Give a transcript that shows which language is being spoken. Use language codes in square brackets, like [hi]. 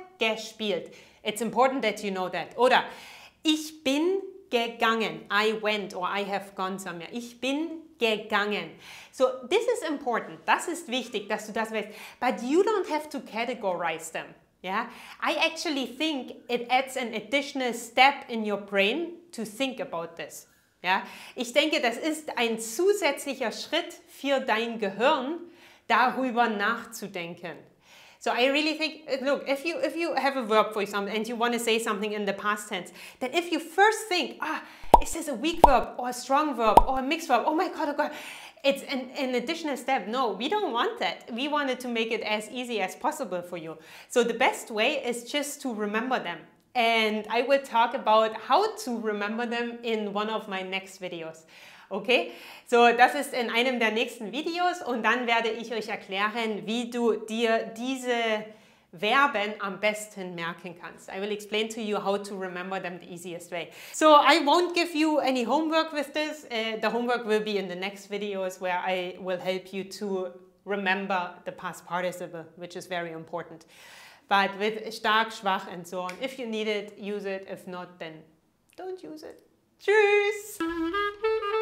[de] gespielt. [en] It's important that you know that. [de] Oder ich bin gegangen. [en] I went or I have gone somewhere. [de] Ich bin gegangen. [en] So, this is important. [de] Das ist wichtig, dass du das weißt. [en] But you don't have to categorize them. Yeah? I actually think it adds an additional step in your brain to think about this. Yeah? [de] Ich denke, das ist ein zusätzlicher Schritt für dein Gehirn, darüber nachzudenken. [en] So I really think, look, if you have a verb, for example, and you want to say something in the past tense, then if you first think, ah, is this a weak verb or a strong verb or a mixed verb? Oh God, it's an additional step. No, we don't want that. We wanted to make it as easy as possible for you. So the best way is just to remember them. And I will talk about how to remember them in one of my next videos. Okay, so [de] das ist in einem der nächsten Videos und dann werde ich euch erklären, wie du dir diese Verben am besten merken kannst. [en] I will explain to you how to remember them the easiest way. So I won't give you any homework with this. The homework will be in the next videos where I will help you to remember the past participle, which is very important. But with stark, schwach and so on. If you need it, use it. If not, then don't use it. Tschüss!